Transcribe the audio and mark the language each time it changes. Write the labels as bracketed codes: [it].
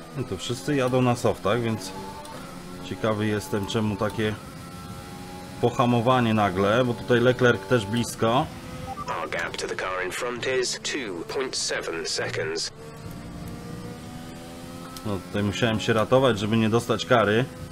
[pl] To wszyscy jadą na softach, więc ciekawy jestem, czemu takie pohamowanie nagle, bo tutaj Leclerc też blisko. [en] Our gap to the car in front is 2.7 seconds. [pl] No tutaj musiałem się ratować, żeby nie dostać kary.